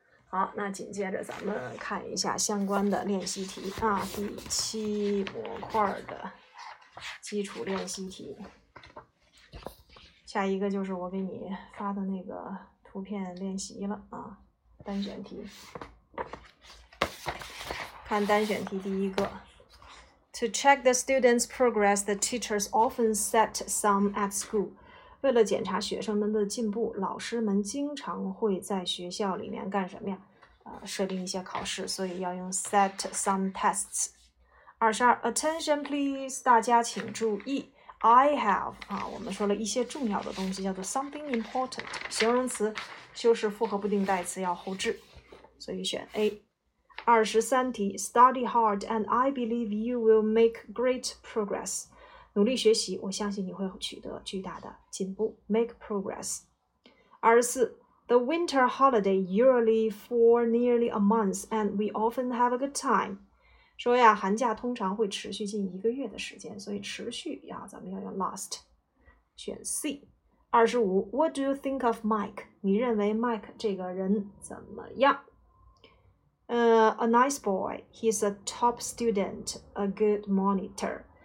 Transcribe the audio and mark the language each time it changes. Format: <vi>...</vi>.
<zh>好那紧接着咱们看一下相关的练习题、第七模块的基础练习题。下一个就是我给你发的那个图片练习了啊，单选题。看单选题第一个。</zh> <en>To check the students' progress, the teachers often set some at school.</en> <zh>为了检查学生们的进步，老师们经常会在学校里面干什么呀？设定一些考试，所以要用</zh> <en>set some tests.</en> <zh>22,</zh> <en>attention please,</en> <zh>大家请注意。</zh> <en>I have,</en> <zh>我们说了一些重要的东西叫做</zh> <en>something important,</en> <zh>形容词修饰复合不定代词要后置所以选 A。</zh> <en>23题 ,study hard and I believe you will make great progress.</en> <zh>努力学习我相信你会取得巨大的进步 ,</zh> <en>make progress。 24, the winter holiday yearly for nearly a month and we often have a good time.</en> <zh>说呀寒假通常会持续近一个月的时间所以持续呀咱们要用 last, 选 C。</zh> <en>25, what do you think of Mike?</en> <zh>你认为 Mike 这个人怎么样</zh> <en>a nice boy, he's a top student, a good monitor.</en>